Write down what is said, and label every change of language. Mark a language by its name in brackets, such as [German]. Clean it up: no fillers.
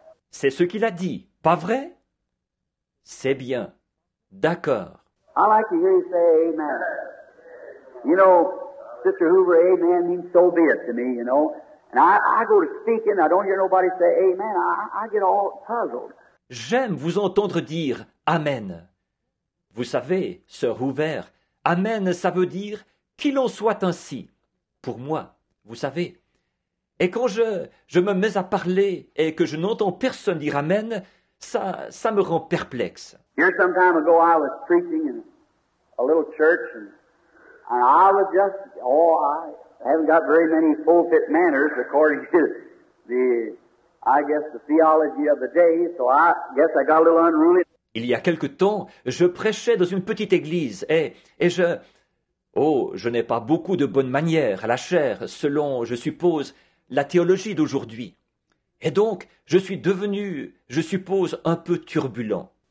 [French] C'est ce qu'il a dit, pas vrai? C'est bien. D'accord. [English] I like to hear you say amen. You know, Sister Hoover, amen means so be it to me, you know. And I go to speaking, I don't hear nobody say amen, I get all puzzled. [French] J'aime vous entendre dire amen. Vous savez, Sœur Hoover, amen, ça veut dire qu'il en soit ainsi. Pour moi, vous savez. Et quand je me mets à parler et que je n'entends personne dire amen, ça me rend perplexe. [English] Here some time ago, I was preaching in a little church, and I was just, I haven't got very many pulpit manners according to the theology of the day, so I guess I got a little unruly. [French] Il y a quelque temps, je prêchais dans une petite église, et je... Oh, je n'ai pas beaucoup de bonnes manières à la chair, selon, je suppose, la théologie d'aujourd'hui. Et donc, je suis devenu, je suppose, un peu turbulent.